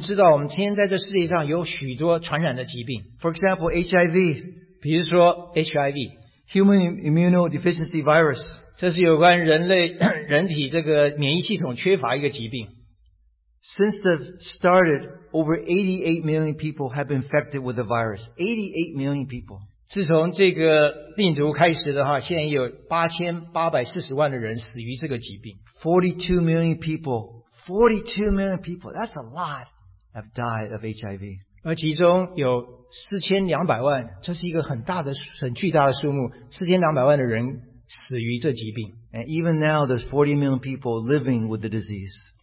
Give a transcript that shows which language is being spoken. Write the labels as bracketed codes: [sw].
[zh] 如果你不相信的话，我们可以看，我们知道我们现在这世界上有许多传染的疾病。 [en] For example, HIV. [zh] 比如说 HIV, [en] Human Immunodeficiency Virus. [zh] 这是有关人类人体这个免疫系统缺乏一个疾病。 [en] Since the started, over 88 million people have been infected with the virus. 88 million people. [zh] 自从这个病毒开始的话，现在有 8,840万的人死于这个疾病。 [en] 42 million people. 42 million people. That's a lot. Have died of HIV. [zh] 而其中有 4,200万，这是一个很大的、很巨大的数目。 4,200万的人死于这疾病。 [en] And even now, there's 40 million people living with the disease.